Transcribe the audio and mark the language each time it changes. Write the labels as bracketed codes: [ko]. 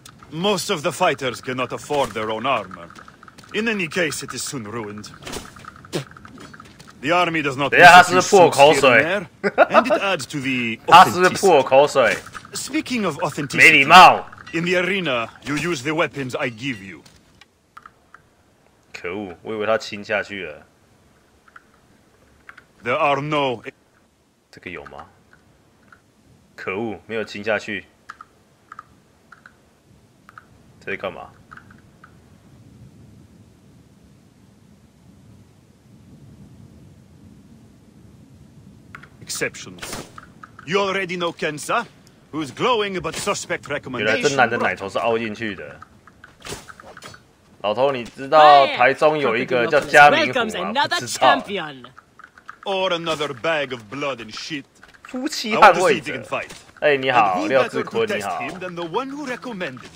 [en] Most of the fighters cannot afford their own armor. In any case, it is soon ruined. The army does not need to be sincere in there, and it adds to the authenticity. Speaking of authenticity, in the arena, you use the weapons I give you. [zh] 可恶，我以为他亲下去了。 [en] There are no. [zh] 这个有吗？可恶，没有亲下去。在干嘛？ [en] Exceptions. You already know Kensa, who's glowing but suspect recommendation. [zh] 原来这男的奶头是凹进去的。老头，你知道台中有一个叫嘉明虎吗？不知道。 [en] Or another bag of blood and shit. [zh] 夫妻捍卫者。哎，你好，廖志坤，你好。 [en] Than the one who recommended